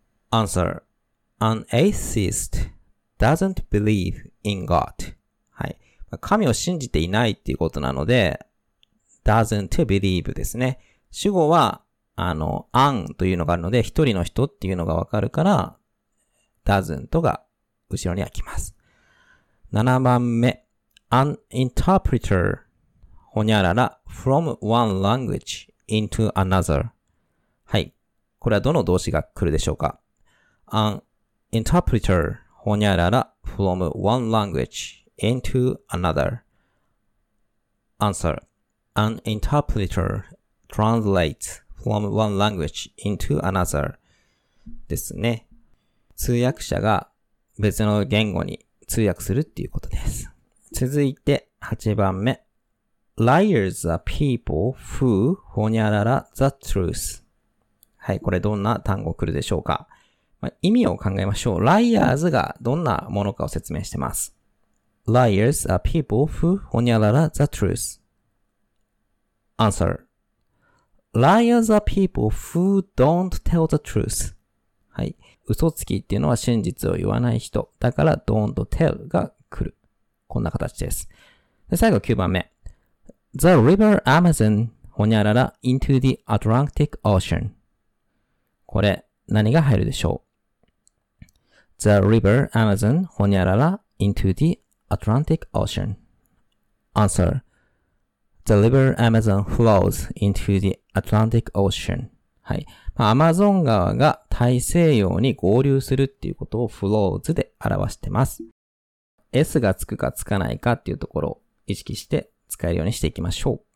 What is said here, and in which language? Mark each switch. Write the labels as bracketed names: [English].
[English] Answer. An atheist doesn't believe in God. [Japanese] はい。神を信じていないっていうことなので、 [English] doesn't believe [Japanese] ですね。主語は、an というのがあるので、一人の人っていうのがわかるから、doesn't が後ろには来ます。 7番目。 [English] An interpreter, ほにゃらら from one language into another. [Japanese] はい。これはどの動詞が来るでしょうか。 [English] An interpreter, ほにゃらら from one language into another. Answer. An interpreter translates from one language into another. [Japanese] ですね。通訳者が別の言語に通訳するっていうことです。続いて8番目。 [English] Liars are people who ほにゃらら the truth. [Japanese] はい、これどんな単語来るでしょうか。意味を考えましょう。 Liars がどんなものかを説明してます。 [English] Liars are people who ほにゃらら the truth. Answer. Liars are people who don't tell the truth. [Japanese] はい。嘘つきっていうのは真実を言わない人。だから [English] don't tell [Japanese] が来る。こんな形です。で最後9番目。 [English] The river Amazon ほにゃらら into the Atlantic Ocean. [Japanese] これ何が入るでしょう? [English] The river Amazon ほにゃらら into the Atlantic Ocean. Answer. The river Amazon flows into the Atlantic Ocean. [Japanese] はい。まあ、アマゾン川が大西洋に合流するっていうことを flows で表してます。 S がつくかつかないかっていうところを意識して使えるようにしていきましょう。